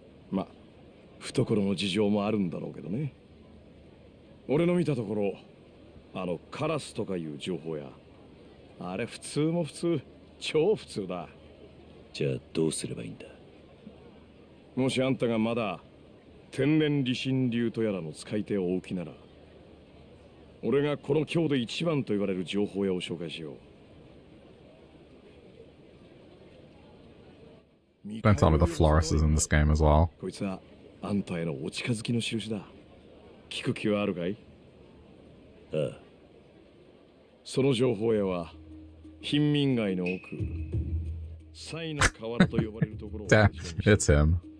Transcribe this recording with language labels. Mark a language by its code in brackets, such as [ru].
[ja] まあ懐の事情もあるんだろうけどね。俺の見たところ、あのカラスとかいう情報屋、あれ普通も普通、超普通だ。じゃあどうすればいいんだ？もしあんたがまだ天然理心流とやらの使い手を置きなら、俺がこの京で一番と言われる情報屋を紹介しよう。 [en] Spent some of the florists in this game as well. [ja] こいつはあんたへのお近づきの印だ。聞く気はあるかい？ああ。その情報屋は貧民街の奥、サイの河原と呼ばれるところを。 [en] Death, it's him.